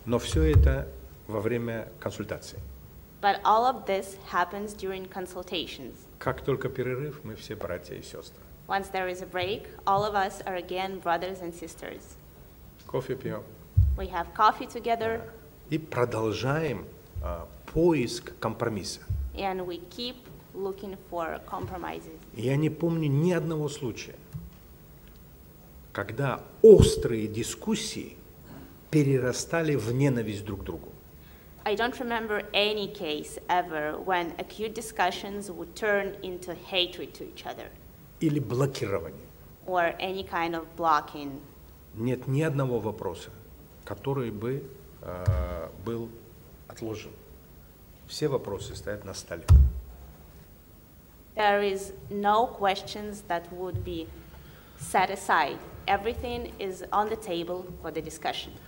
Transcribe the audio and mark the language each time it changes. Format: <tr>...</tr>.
<ru>Но все это во время консультации.</ru> <en>But all of this happens during consultations.</en> <ru>Как только перерыв, мы все братья и сестры.</ru> <en>Once there is a break, all of us are again brothers and sisters.</en> <ru>Кофе пьем.</ru> <en>We have coffee together.</en> <ru>И продолжаем поиск компромисса.</ru> <en>And we keep looking for compromises.</en> <ru>Я не помню ни одного случая, когда острые дискуссии перерастали в ненависть друг к другу.</ru> <en>I don't remember any case ever when acute discussions would turn into hatred to each other.</en> <ru>Или блокирование.</ru> <en>Or any kind of blocking.</en> <ru>Нет ни одного вопроса, который бы был отложен. Все вопросы стоят на столе.</ru> <en>There is no questions that would be set aside. Everything is on the table for the discussion.</en>